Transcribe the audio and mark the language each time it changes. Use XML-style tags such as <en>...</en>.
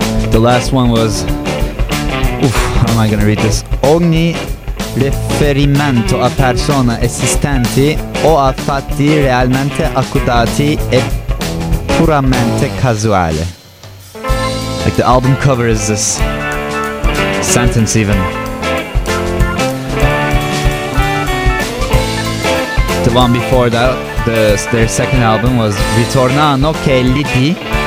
<en>The last one was, how am I gonna read this?</en> <it>Ogni riferimento a persona esistenti o a fatti realmente accutati è puramente casuale.</it> <en>Like the album cover is this sentence even. The one before that, their second album was Ritornano che lidi.</en>